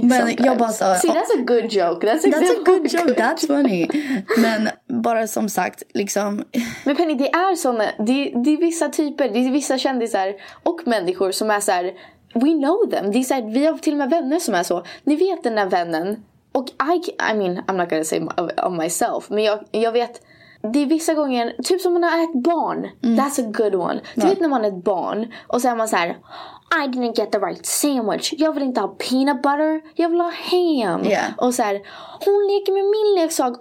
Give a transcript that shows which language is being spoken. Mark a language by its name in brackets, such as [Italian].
[Swedish] Men jag bara sa, [English] see, that's a good joke. That's a good joke. That's funny. [Swedish] Men bara som sagt, liksom. Men Penny, det är såna, det är vissa typer, det är vissa kändisar och människor som är så här. [English] We know them. [Swedish] De säger, vi har till och med vänner som är så. Ni vet den där vännen. [English] Och I mean, I'm not gonna say of myself. [Swedish] Men jag vet, det är vissa gånger, typ som man är ett barn. Mm. [English] That's a good one. [Swedish] Du vet när man är ett barn och så är man så här, [English] I didn't get the right sandwich. [Swedish] Jag vill inte ha peanut butter. Jag vill ha ham. Yeah. Och så här, hon leker med min leksak.